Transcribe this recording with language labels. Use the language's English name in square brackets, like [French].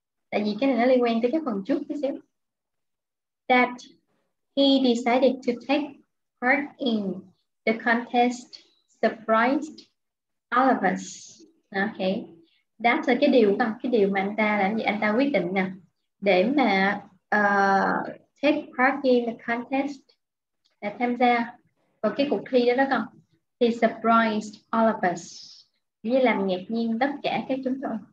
[Vietnamese] Tại vì cái này nó liên quan tới cái phần trước tí xíu. [English] That he decided to take part in the contest surprised all of us. Okay. [Vietnamese] That's cái điều con, cái điều mà anh ta làm gì, anh ta quyết định nè. Để mà [English] take part in the contest, [Vietnamese] để tham gia vào cái cuộc thi đó con. [English] He surprised all of us. [Vietnamese] Như làm ngạc nhiên tất cả các chúng tôi.